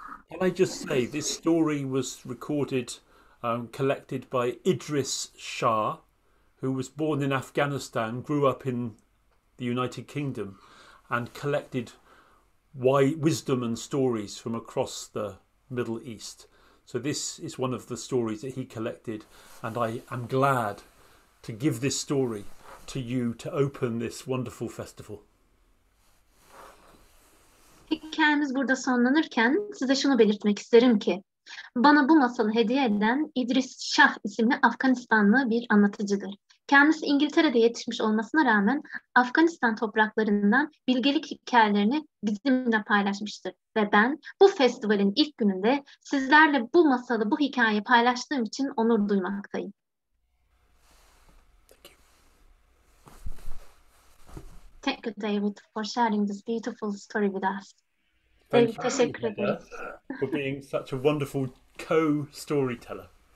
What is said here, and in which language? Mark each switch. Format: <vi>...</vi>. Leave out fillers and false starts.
<en>Can I just say this story was recorded, collected by Idris Shah, who was born in Afghanistan, grew up in the United Kingdom, and collected wisdom and stories from across the Middle East. So this is one of the stories that he collected, and I am glad to give this story to you to open this wonderful festival.</en> <tr>Hikayemiz burada sonlanırken size şunu belirtmek isterim ki bana bu masalı hediye eden İdris Şah isimli Afganistanlı bir anlatıcıdır. Kendisi İngiltere'de yetişmiş olmasına rağmen Afganistan topraklarından bilgelik hikayelerini bizimle paylaşmıştır. Ve ben bu festivalin ilk gününde sizlerle bu masalı, bu hikayeyi paylaştığım için onur duymaktayım.</tr> <en>Thank you, David, for sharing this beautiful story with us. Thank you for being such a wonderful co-storyteller.</en>